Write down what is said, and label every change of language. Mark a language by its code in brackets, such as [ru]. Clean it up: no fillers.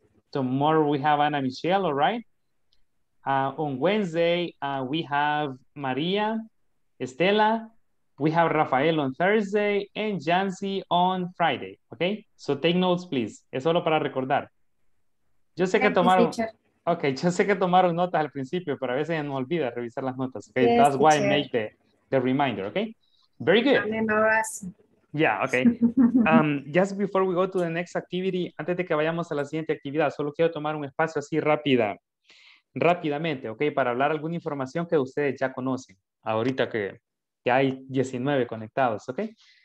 [en] Tomorrow we have Ana Michelle, all right? On Wednesday, we have Maria, Estela. We have Rafael on Thursday and Jansi on Friday, okay? So take notes, please. [es] Es solo para recordar. Yo sé que tomaron notas al principio, pero a veces me olvida revisar las notas. [en] Okay? Yes, that's why I make the reminder, okay? Very good. Yeah, okay. Just before we go to the next activity, [es] antes de que vayamos a la siguiente actividad, solo quiero tomar un espacio así rápidamente, okay, para hablar alguna información que ustedes ya conocen, ahorita que hay 19 conectados, okay.